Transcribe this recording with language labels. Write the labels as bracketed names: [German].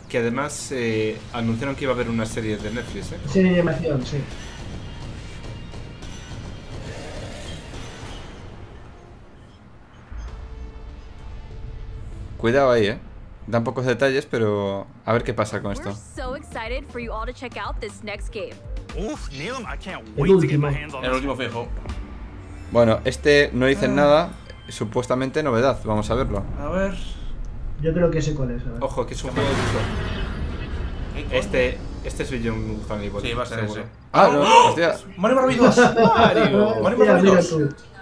[Spanish] Que además anunciaron que iba a haber una serie de Netflix, ¿eh? Serie de animación, sí. Cuidado ahí, ¿eh? Dan pocos detalles, pero a ver qué pasa con esto. [English] So excited for you all to check out this next game. Uf, Neil, I can't wait to get my hands on this. [Spanish] El último fijo. Bueno, este no dice nada, supuestamente novedad, vamos a verlo. A ver. Yo creo que ese cuál es, a ver. Ojo, que es un juego de uso. Este es Beyond Funny Boy. Sí, va a ser ese. Ah, no, hostia. Mario Marvis 2. Mario Marvis 2.